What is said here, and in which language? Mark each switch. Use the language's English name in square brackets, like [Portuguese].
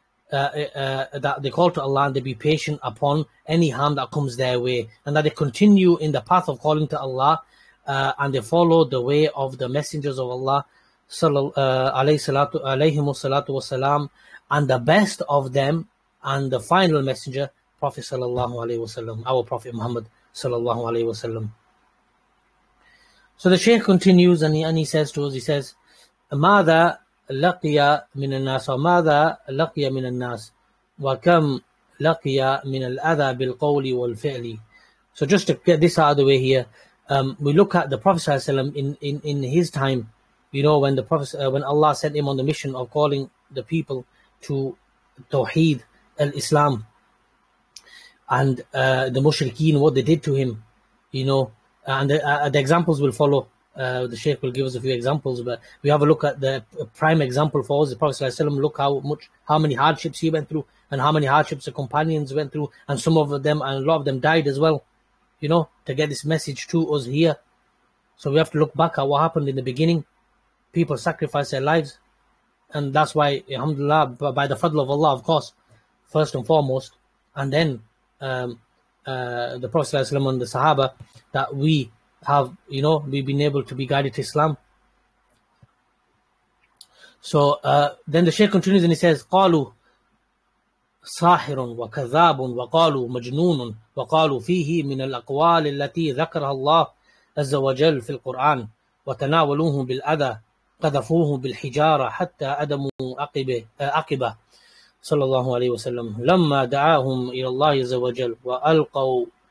[English] That they call to Allah and they be patient upon any harm that comes their way, and that they continue in the path of calling to Allah, and they follow the way of the messengers of Allah, alayhimu salatu wasalam, and the best of them, and the final messenger, Prophet sallallahu alayhi wasallam, our Prophet Muhammad sallallahu alayhi wasallam. So the Shaykh continues and he says to us, he says, [Arabic] Mada لقي من الناس وماذا لقي من الناس وكم لقي من الأذى بالقول والفعل. [English] So just to get this out of the way here, we look at the Prophet ﷺ in his time, you know, when the Prophet when Allah sent him on the mission of calling the people to Tawheed al-Islam, and the Mushrikeen, what they did to him, you know, and the examples will follow. The Shaykh will give us a few examples, but we have a look at the prime example for us, the Prophet Sallallahu Alaihi Wasallam. Look how many hardships he went through, and how many hardships the companions went through, and some of them, and a lot of them died as well, you know, to get this message to us here. So we have to look back at what happened in the beginning. People sacrificed their lives, and that's why, alhamdulillah, by the fadl of Allah, of course, first and foremost, and then the Prophet Sallallahu Alaihi Wasallam and the Sahaba, that we have, you know, we've been able to be guided to Islam. So then the Shaykh continues and he says, [Arabic] قَالُوا صَاحِرٌ وَكَذَّابٌ وَقَالُوا مَجْنُونٌ وَقَالُوا فِيهِ مِنَ الْأَقْوَالِ الَّتِي ذَكَرَهَا اللَّهُ عَزَّ وَجَلْ فِي الْقُرْآنِ وَتَنَاوَلُوهُ بِالْأَذَى قَذَفُوهُ بِالْحِجَارَةِ حَتَّى أَدَمُوا أَقِبَةً صلى الله عليه وسلم لَمَّا دَعَاهُمْ إِلَى اللَّهِ عَزَّ وَجَلْ وَأَلْقَوْا